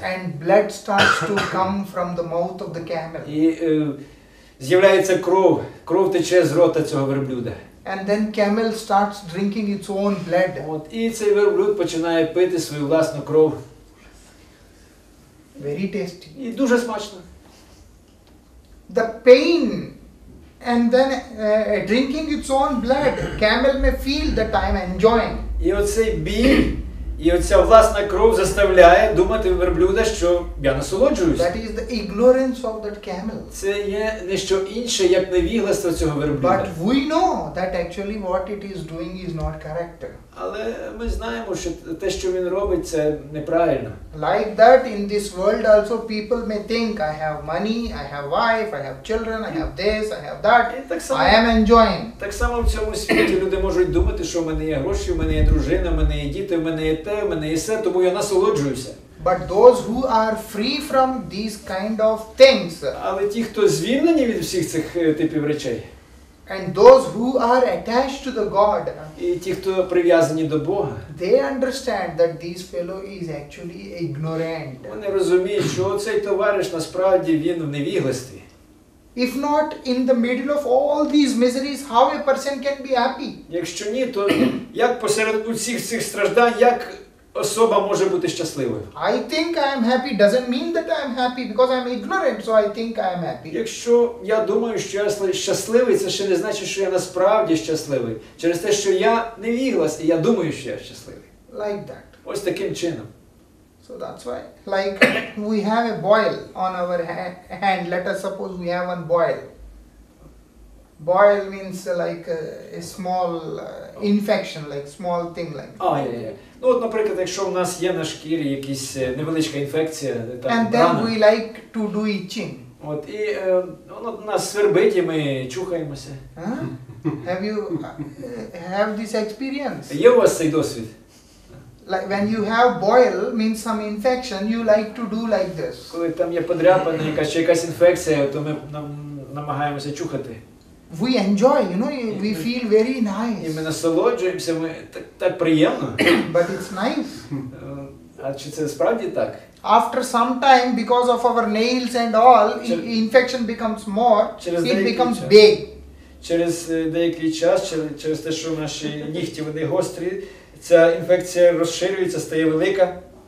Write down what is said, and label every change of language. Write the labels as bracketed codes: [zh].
[en] And blood starts to come from the mouth of the camel. [uk] І з'являється кров, кров тече з рота цього верблюда. [en] And then camel starts drinking its own blood. [uk] От, і цей верблюд починає пити свою власну кров. [en] Very tasty. [uk] І дуже смачно. [en] The pain and then drinking its own blood, camel may feel that I'm enjoying. [uk] І оцей біль, і оця власна кров заставляє думати верблюда, що я насолоджуюсь. [en] That is the ignorance of that camel. [uk] Це є не що інше, як невігластво цього верблюда. [en] But we know that actually what it is doing is not correct. [uk] Але ми знаємо, що те, що він робить, це неправильно. [en] Like that, in this world also people may think, I have money, I have wife, I have children, I have this, I have that, [uk] так само, [en] I am enjoying. [uk] Так само в цьому світі люди можуть думати, що в мене є гроші, в мене є дружина, в мене є діти, в мене є те, в мене є все, тому я насолоджуюся. [en] But those who are free from these kind of things. [uk] Але ті, хто звільнені від всіх цих типів речей. [en] And those who are attached to the God, [uk] і ті, хто прив'язані до Бога, [en] they understand that this fellow is actually ignorant. [uk] Вони розуміють, що цей товариш насправді він в невігластві. [en] If not in the middle of all these miseries, how a person can be happy? [uk] Якщо ні, то як посеред усіх цих страждань, як особа може бути щасливою? [en] I think I am happy doesn't mean that I am happy because I am ignorant, so I think I am happy. [uk] Якщо я думаю, що я щасливий, це ще не значить, що я насправді щасливий. Через те, що я не віглас, і я думаю, що я щасливий. [en] Like that. [uk] Ось таким чином. [en] So that's why. Like, we have a boil on our hand. Let us suppose we have one boil. Boil means like a small infection, like small thing like that. [uk] Ну, от, наприклад, якщо в нас є на шкірі якась невеличка інфекція, там, [en] and then [uk] рана, [en] we like to do itching. [uk] От, і воно нас свербить, і ми чухаємося. [en] Have you have this experience? [uk] Є у вас цей досвід? [en] Like, when you have boil, means some infection, you like to do like this. [uk] Коли там є подряпана якась, чи якась інфекція, то ми намагаємося чухати. [en] We enjoy, you know, we feel very nice. [uk] І ми насолоджуємося, ми так приємно. [en] But it's nice. [uk] А чи це справді так? [en] After some time, because of our nails and all, infection becomes more, it becomes big. [uk] Через деякий час, через те, що наші нігті, вони гострі, ця інфекція розширюється, стає велика.